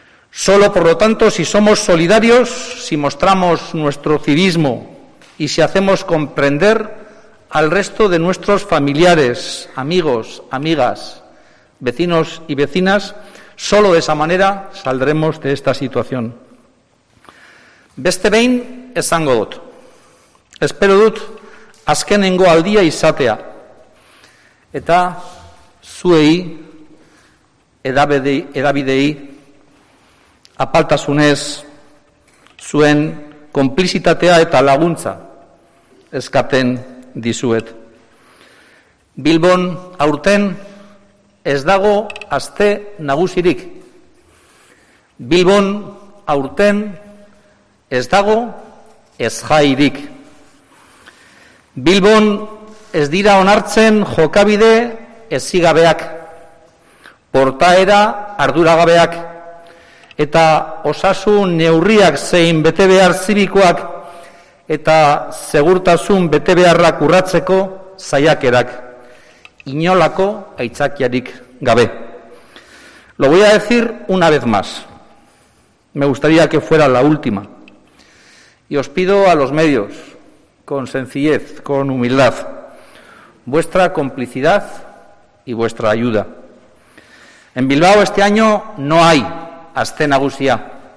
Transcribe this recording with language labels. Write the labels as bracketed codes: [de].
[es] Solo, por lo tanto, si somos solidarios, si mostramos nuestro civismo y si hacemos comprender al resto de nuestros familiares, amigos, amigas, vecinos y vecinas, solo de esa manera saldremos de esta situación. [eu] Beste behin esango dut. Espero dut azkenengo aldia izatea. Eta zuei, edabidei, apaltasunez, zuen konplizitatea eta laguntza eskaten dizuet. Bilbon aurten ez dago aste nagusirik. Bilbon aurten Ez dago ezjairik. Bilbon ez dira onartzen jokabide ezigabeak, portaera arduragabeak, eta osasun neurriak zein betebehar zibikoak eta segurtasun betebeharrak urratzeko saiakerak, inolako aitzakiarik gabe. [es] Lo voy a decir una vez más. Me gustaría que fuera la última. Y os pido a los medios, con sencillez, con humildad, vuestra complicidad y vuestra ayuda. En Bilbao este año no hay aste nagusia.